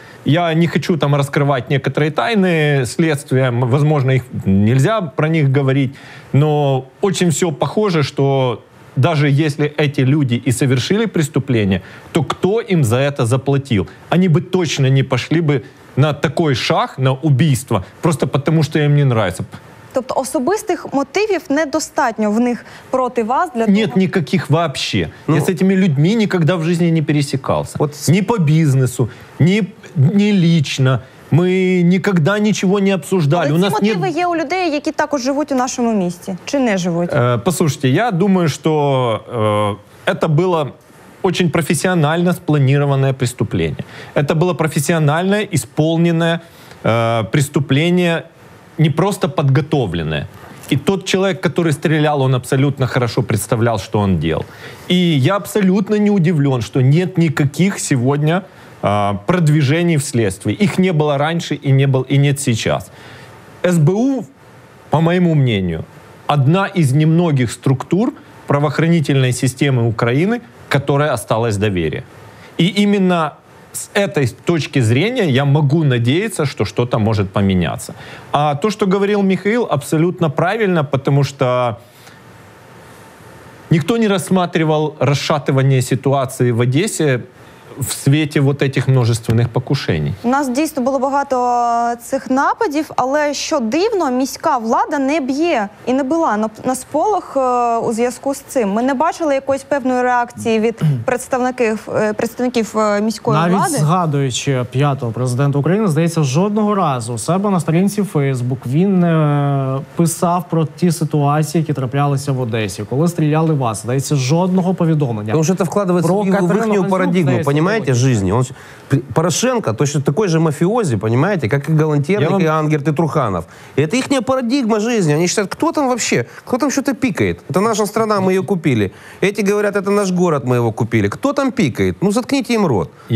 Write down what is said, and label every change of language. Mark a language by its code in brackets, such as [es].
[ru] Я не хочу там раскрывать некоторые тайны следствия, возможно, их нельзя про них говорить, но очень все похоже, что даже если эти люди и совершили преступление, то кто им за это заплатил? Они бы точно не пошли бы на такой шаг, на убийство, просто потому что им не нравится. [uk] Тобто особистих мотивів недостатньо в них проти вас для того? [ru] Нет никаких вообще. Я с этими людьми никогда в жизни не пересекался. Ни по бізнесу, ні лично. [uk] Ми ніколи нічого [ru] не обсуждали. [uk] Але ці мотиви є у людей, які також живуть у нашому місті. Чи не живуть? [ru] Послушайте, я думаю, [uk] що це було дуже професіонально спланіроване преступлення. Це було професіонально исполнене преступлення, [ru] не просто подготовленное. И тот человек, который стрелял, он абсолютно хорошо представлял, что он делал. И я абсолютно не удивлен, что нет никаких сегодня продвижений в следствии. Их не было раньше и нет сейчас. СБУ, по моему мнению, одна из немногих структур правоохранительной системы Украины, которая осталась в доверии. И именно с этой точки зрения я могу надеяться, что что-то может поменяться. А то, что говорил Михаил, абсолютно правильно, потому что никто не рассматривал расшатывание ситуации в Одессе [uk] в світі [ru] вот этих множественних покушений. [uk] У нас дійсно було багато цих нападів, але що дивно, міська влада не б'є і не була на сполох у зв'язку з цим. Ми не бачили якоїсь певної реакції від представників міської навіть влади. Навіть згадуючи 5-го президента України, здається, жодного разу у себе на сторінці Фейсбук він не писав про ті ситуації, які траплялися в Одесі, коли стріляли вас. Здається, жодного повідомлення. Тому що це вкладається в їхню парадигму. [ru] Понимаете, жизни. Он, Порошенко точно такой же мафиози, понимаете, как и Галантерник, и Ангерт, и Труханов. И это их парадигма жизни. Они считают, кто там вообще, кто там что-то пикает? Это наша страна, мы ее купили. Эти говорят, это наш город, мы его купили. Кто там пикает? Ну, заткните им рот.